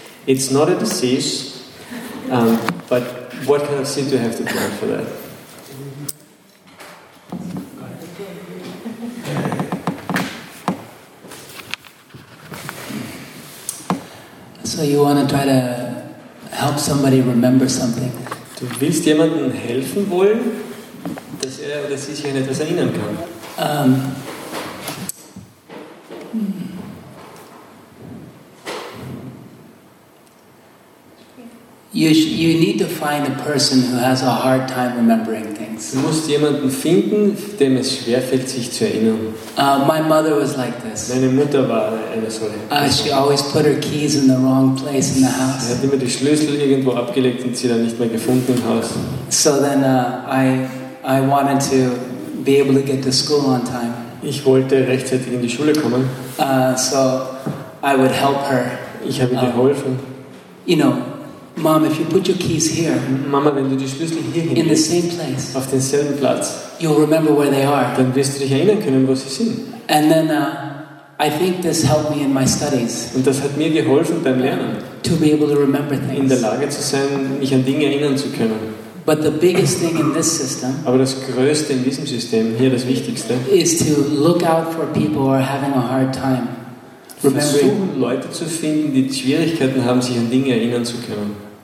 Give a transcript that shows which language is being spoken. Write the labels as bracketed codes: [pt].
[en] It's not a disease, but... What kind of seed do you have to plant for that? So you want to try to help somebody remember something? [de] Du willst jemanden helfen wollen, dass er oder sie sich an etwas erinnern kann. [en] You need to find a person who has a hard time remembering things. [de] Du musst jemanden finden, dem es schwer fällt, sich zu erinnern. [en] My mother was like this. [de] Meine Mutter war eine solche. [en] She always put her keys in the wrong place in the house. [de] Sie hat immer die Schlüssel irgendwo abgelegt und sie dann nicht mehr gefunden im Haus. [en] So then I wanted to be able to get to school on time. [de] Ich wollte rechtzeitig in die Schule kommen. [en] So I would help her. [de] Ich habe ihr geholfen. [en] You know, Mom, if you put your keys here, [de] Mama, wenn du die Schlüssel hier hin, [en] in the same place, [de] auf denselben Platz, [en] you'll remember where they are. [de] Dann wirst du dich erinnern können, wo sie sind. [en] And then, I think this helped me in my studies. [de] Und das hat mir geholfen beim Lernen. [en] To be able to remember things. [de] In der Lage zu sein, mich an Dinge erinnern zu können. [en] But the biggest thing in this system, [de] aber das Größte in diesem System, hier das Wichtigste, [en] is to look out for people who are having a hard time. [de] Versuchen, Leute zu finden, die Schwierigkeiten haben, sich an Dinge erinnern zu können.